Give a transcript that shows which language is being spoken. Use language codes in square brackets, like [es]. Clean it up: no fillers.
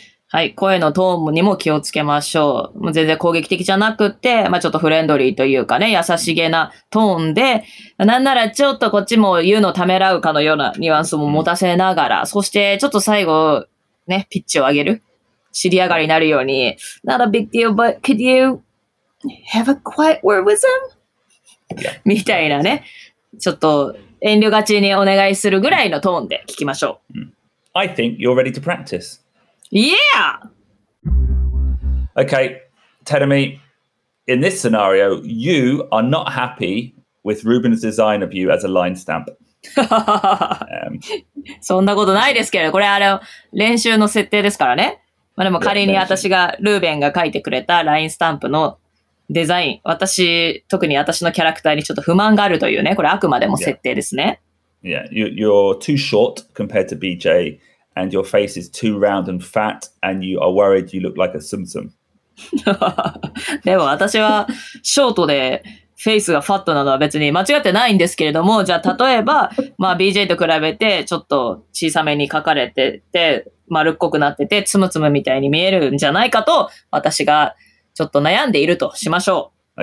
[ja] はい、声のトーンにも気をつけましょう。もう全然攻撃的じゃなくて、まあ、ちょっとフレンドリーというかね、優しげなトーンで、なんならちょっとこっちも言うのためらうかのようなニュアンスも持たせながら、そしてちょっと最後、ね、ピッチを上げる。尻上がりになるように、 [en] Not a big deal, but could you have a quiet word with them? [ja] みたいなね、ちょっと、遠慮がちにお願いするぐらいのトーンで聞きましょう。 [en] I think you're ready to practice. Yeah! Okay, Terumi, in this scenario, you are not happy with Ruben's design of you as a line stamp. 、 [ja] そんなことないですけど、これ練習の設定ですからね。まあ、でも仮に私が、ルーベンが書いてくれたラインスタンプのデザイン、私、特に私のキャラクターにちょっと不満があるというね、これあくまでも設定ですね。 [en] Yeah, you're too short compared to BJ, and your face is too round and fat, and you are worried you look like a Tsum-Tsum. [ja] でも私はショートでフェイスがファットなのは別に間違ってないんですけれども、じゃあ例えば、まあ BJ と比べてちょっと小さめに描かれてて、丸っこくなってて、ツムツムみたいに見えるんじゃないかと、私がちょっと悩んでいるとしましょう。